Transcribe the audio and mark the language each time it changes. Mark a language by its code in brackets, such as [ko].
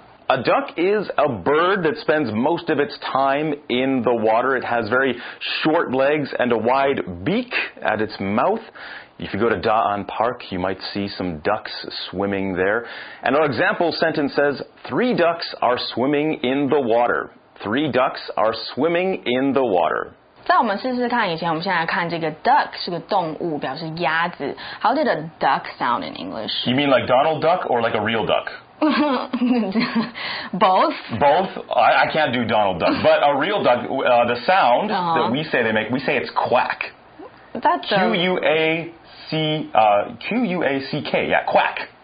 [en] A duck is a bird that spends most of its time in the water. It has very short legs and a wide beak at its mouth. If you go to Da'an Park, you might see some ducks swimming there. And our example sentence says, three ducks are swimming in the water. Three ducks are swimming in the water. [zh] 在我们试试看以前，我们先来看这个 duck 是个动物，表示鸭子。 [en] How did a duck sound in English? You mean like Donald Duck or like a real duck? Both. Both. I can't do Donald Duck, but a real duck. The sound that we say they make, we say it's quack. That's quack. Yeah, quack.